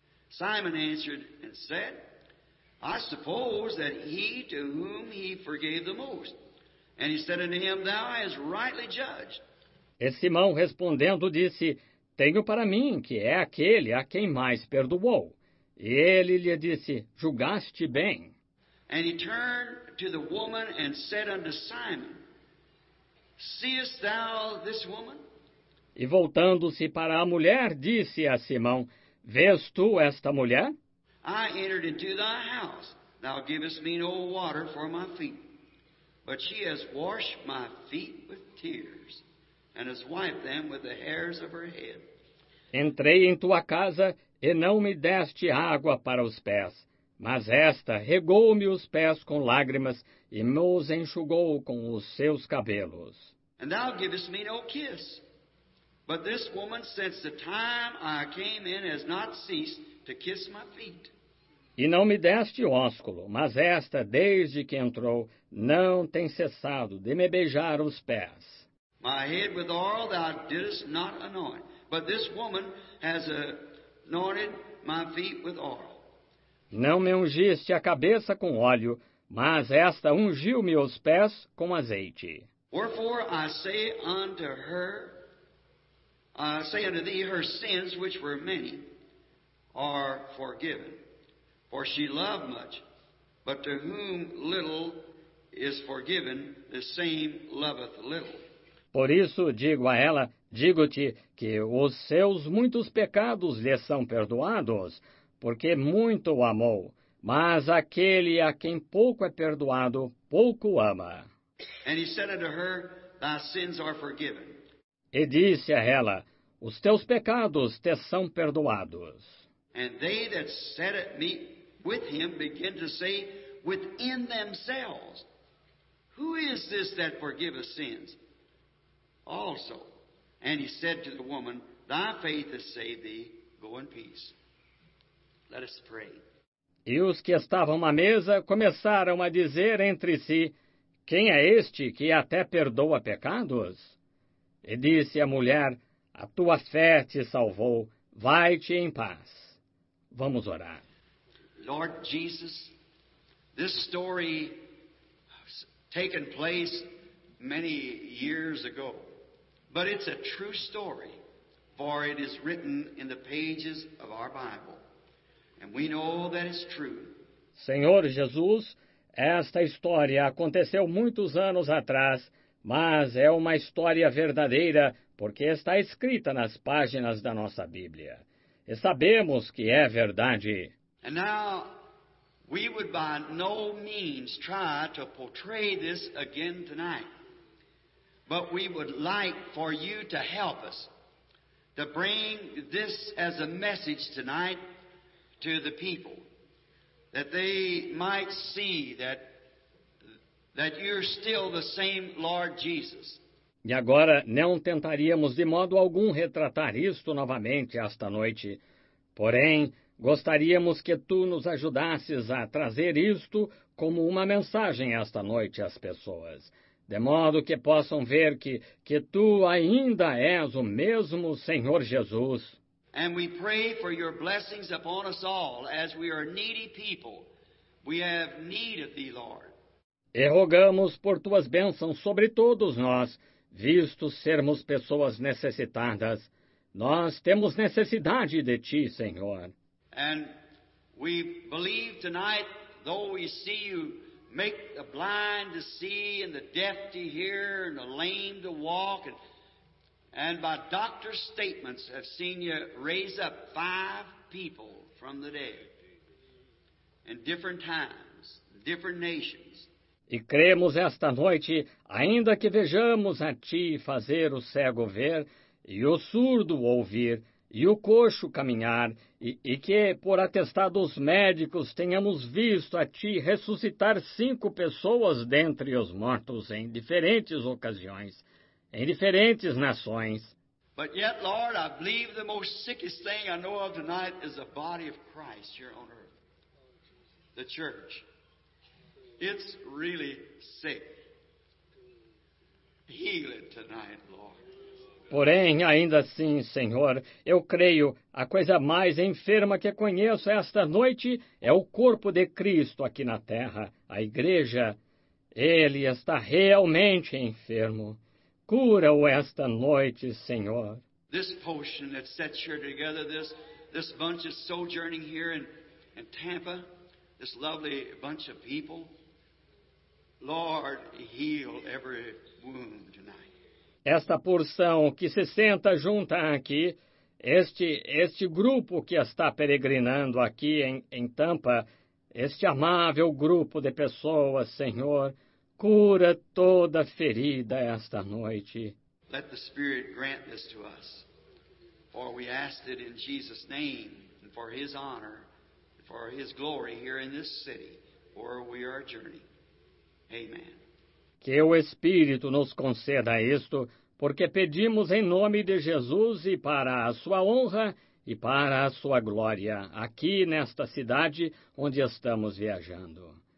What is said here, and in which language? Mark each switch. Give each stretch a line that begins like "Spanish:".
English: Simon answered and said, I suppose that he to whom he forgave the most. And he said unto him, Thou hast rightly judged.
Portuguese: E Simão respondendo disse, Tenho para mim que é aquele a quem mais perdoou. E ele lhe disse, Julgaste bem.
English: And he turned to the woman and said unto Simon, Seest thou this woman?
Portuguese: E voltando-se para a mulher, disse a Simão, Vês tu esta mulher?
English: I entered into thy house. Thou givest me no water for my feet. But she has washed my feet with tears, and has wiped them with the hairs of her head.
Portuguese: Entrei em tua casa, e não me deste água para os pés. Mas esta regou-me os pés com lágrimas, e me os enxugou com os seus cabelos.
English: And thou givest me no kiss. But this woman, since the time I came in, has not ceased to kiss my feet.
Portuguese: E não me deste ósculo, mas esta, desde que entrou, não tem cessado de me beijar os pés.
English: My head with oil thou didst not anoint, but this woman has anointed my feet with oil.
Portuguese: Não me ungiste a cabeça com óleo, mas esta ungiu-me os pés com azeite.
English: Wherefore I say unto her, her sins, which were many, are forgiven, for she loved much, but to whom little is forgiven, the same loveth little.
Portuguese: Por isso digo a ela, digo-te que os seus muitos pecados lhe são perdoados, porque muito o amou, mas aquele a quem pouco é perdoado, pouco ama.
English: And he said unto her, thy sins are forgiven.
Portuguese: E disse a ela, os teus pecados te são perdoados.
English: And they that sat at meat with him began to say within themselves, who is this that forgiveth sins? Also, and he said to the woman, thy faith has saved thee, go in peace. Let us pray.
Portuguese: E os que estavam à mesa começaram a dizer entre si, quem é este que até perdoa pecados? E disse a mulher, a tua fé te salvou, vai-te em paz. Vamos orar.
English: Lord Jesus, this story has taken place many years ago. But it's a true story, for it is written in the pages of our Bible. And we know that it's true.
Portuguese: Senhor Jesus, esta história aconteceu muitos anos atrás, mas é uma história verdadeira, porque está escrita nas páginas da nossa Bíblia. E sabemos que é verdade.
English: And now, we would by no means try to portray this again tonight. But we would like for you to help us to bring this as a message tonight to the people, that they might see that you're still the same Lord Jesus.
Portuguese: E agora não tentaríamos de modo algum retratar isto novamente esta noite. Porém, gostaríamos que tu nos ajudasses a trazer isto como uma mensagem esta noite às pessoas, de modo que possam ver que tu ainda és o mesmo Senhor Jesus.
English: And we pray for your blessings upon us all, as we are needy people. We have need of thee, Lord.
Portuguese: E rogamos por tuas bênçãos sobre todos nós, visto sermos pessoas necessitadas. Nós temos necessidade de ti, Senhor.
English: And we believe tonight, though we see you, make the blind to see and the deaf to hear and the lame to walk. And by doctor's statements have seen you raise up 5 people from the dead in different times, different nations.
Portuguese: E cremos esta noite, ainda que vejamos a ti fazer o cego ver e o surdo ouvir, e o coxo caminhar, e que, por atestado dos médicos, tenhamos visto a ti ressuscitar 5 pessoas dentre os mortos em diferentes ocasiões, em diferentes nações.
English: But yet, Lord, I believe the most sickest thing I know of tonight is the body of Christ here on earth, the church. It's really sick. Heal it tonight, Lord.
Portuguese: Porém, ainda assim, Senhor, eu creio, a coisa mais enferma que conheço esta noite é o corpo de Cristo aqui na terra, a igreja. Ele está realmente enfermo. Cura-o esta noite, Senhor.
English: This potion that sets you together, this bunch of sojourning here in Tampa, this lovely bunch of people, Lord, heal every wound tonight.
Portuguese: Esta porção que se senta junta aqui, este grupo que está peregrinando aqui em Tampa, este amável grupo de pessoas, Senhor, cura toda ferida esta noite.
English: Let the Spirit grant this to us, for we ask it in Jesus' name, and for His honor, and for His glory here in this city, where we are journeying. Amen.
Portuguese: Que o Espírito nos conceda isto, porque pedimos em nome de Jesus e para a sua honra e para a sua glória, aqui nesta cidade onde estamos viajando.